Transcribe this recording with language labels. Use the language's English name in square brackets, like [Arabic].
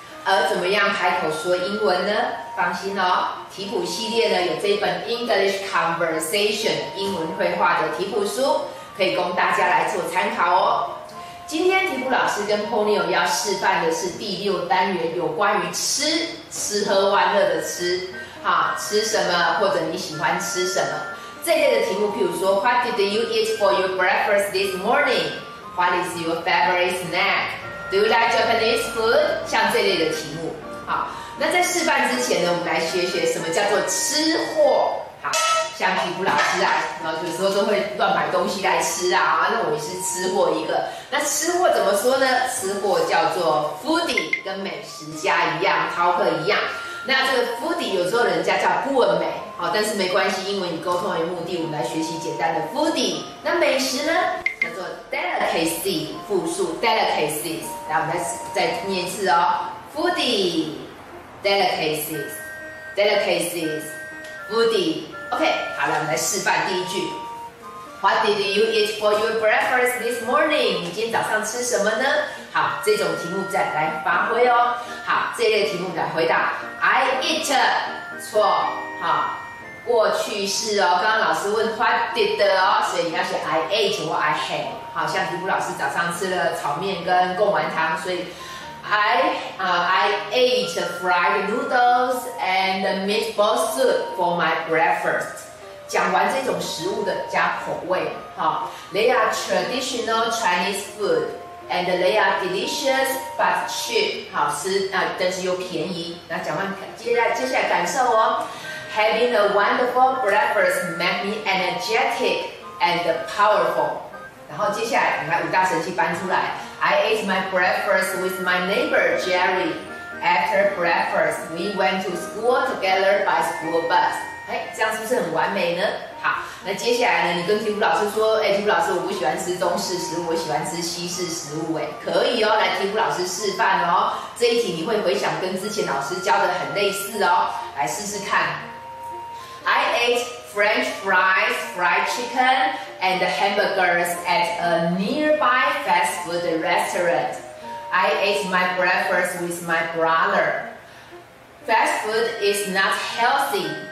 [Chinese] 而怎么样开口说英文呢？放心哦，提普系列呢有这本 English Conversation 英文绘画的提普书，可以供大家来做参考哦。今天提普老师跟 Pony 要示范的是第六单元，有关于吃，吃喝玩乐的吃。好，吃什么或者你喜欢吃什么这类的题目，譬如说 [English] What did you eat for your breakfast this morning? What is your favorite snack? Do you like Japanese food? [Chinese] 像这类的题目。好，那在示范之前呢，我们来学学什么叫做吃货。好，像皮肤老师啊，有时候都会乱买东西来吃啊，那我也是吃货一个。那吃货怎么说呢？吃货叫做 foodie， 跟美食家一样，饕客一样。那这个 foodie 有时候人家叫不文美，好，但是没关系，因为你沟通为目的，我们来学习简单的 foodie。那美食呢，叫做 delicacy， 复数 delicacies。来，我们再念一次哦 ，foodie， delicacies， delicacies， foodie。 OK， 好了，我们来示范第一句。 [English] What did you eat for your breakfast this morning? [Chinese] 你今天早上吃什么呢？好，这种题目再来发挥哦。好，这类题目来回答。 [English] I eat， [Chinese] 错，好，过去式哦。刚刚老师问 What did 哦，所以你要写 [English] I ate [Chinese] 或 [English] I had。 [Chinese] 好像提普老师早上吃了炒面跟贡丸汤，所以 [English] I ate fried noodles and meatball soup for my breakfast。 [Chinese] 讲完这种食物的加口味，好 [English] ，they are traditional Chinese food and they are delicious but cheap， [Chinese] 好吃啊，但是又便宜。那讲完，接下来感受哦 [English] ，having a wonderful breakfast made me energetic and powerful。 [Chinese] 然后接下来，你看五大神器搬出来 [English] ，I ate my breakfast with my neighbor Jerry。 After breakfast, we went to school together by school bus。 [Chinese] 哎，这样是不是很完美呢？好，那接下来呢？你跟提普老师说，哎，提普老师，我不喜欢吃中式食物，我喜欢吃西式食物。哎，可以哦，来提普老师示范哦。这一题你会回想跟之前老师教的很类似哦，来试试看。 [English] I ate French fries, fried chicken, and hamburgers at a nearby fast food restaurant. I ate my breakfast with my brother. Fast food is not healthy.